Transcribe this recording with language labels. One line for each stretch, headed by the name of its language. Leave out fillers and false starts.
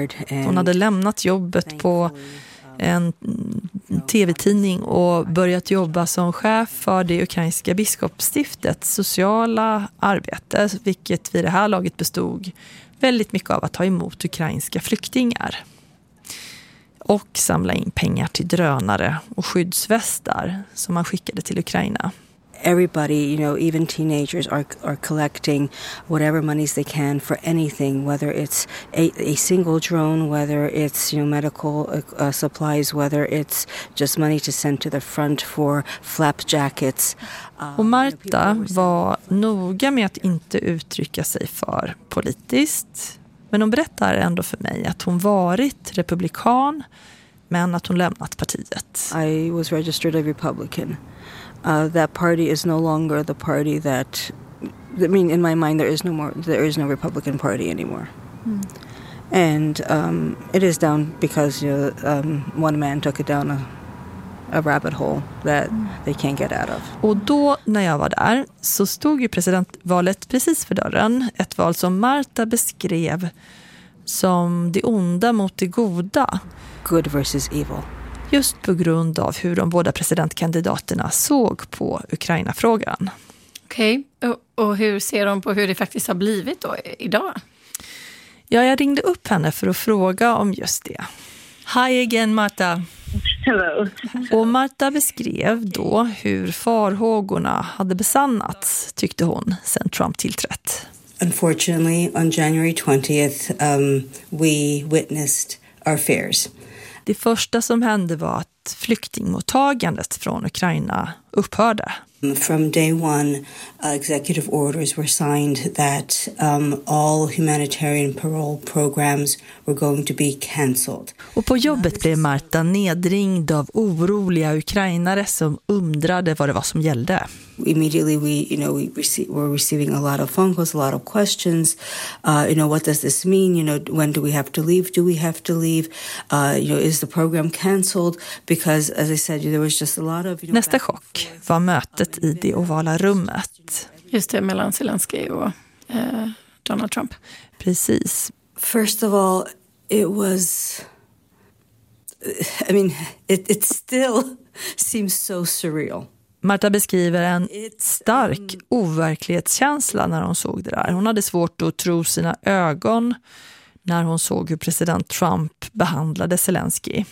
Swedish: Hon hade lämnat jobbet på en tv-tidning och börjat jobba som chef för det ukrainska biskopsstiftets sociala arbete, vilket vid det här laget bestod väldigt mycket av att ta emot ukrainska flyktingar och samla in pengar till drönare och skyddsvästar som man skickade till Ukraina.
English: Everybody, you know, even teenagers are collecting whatever monies they can for anything, whether it's a single drone, whether it's, you know, medical supplies, whether it's just money to send to the front for flap jackets.
Swedish: Och Marta var noga med att inte uttrycka sig för politiskt. Men hon berättar ändå för mig att hon varit republikan, men att hon lämnat partiet.
English: I was registered a Republican. That party is no longer the party that, I mean, in my mind, there is no Republican Party anymore. Mm. And it is down because, you know, one man took it down a rabbit hole that they can't get out of.
Swedish: Och då när jag var där så stod ju presidentvalet precis för dörren. Ett val som Marta beskrev som det onda mot det goda.
English: Good versus evil.
Swedish: Just på grund av hur de båda presidentkandidaterna såg på Ukraina-frågan. Okej, och hur ser de på hur det faktiskt har blivit då idag? Ja, jag ringde upp henne för att fråga om just det.
English: Hi again, Marta. Hello.
Swedish: Och Marta beskrev då hur farhågorna hade besannats, tyckte hon, sen Trump tillträtt.
English: Unfortunately, on January 20th, we witnessed our fears.
Swedish: Det första som hände var att flyktingmottagandet från Ukraina upphörde.
English: From day one, executive orders were signed that all humanitarian parole programs were going to be cancelled.
Swedish: Och på jobbet blev Marta nedringd av oroliga ukrainare som undrade vad det var som gällde.
English: Immediately we, you know, we're receiving a lot of phone calls, a lot of questions. You know, what does this mean? You know, when do we have to leave? Do we have to leave? You know, is the program cancelled? Because as I said, there was just a lot of, you know.
Swedish: Nästa chock var mötet i det ovala rummet. Just det, mellan Zelensky och Donald Trump. Precis.
English: First of all, it was, I mean, it still seems so surreal.
Swedish: Marta beskriver en stark overklighetskänsla när hon såg det där. Hon hade svårt att tro sina ögon när hon såg hur president Trump behandlade Zelensky.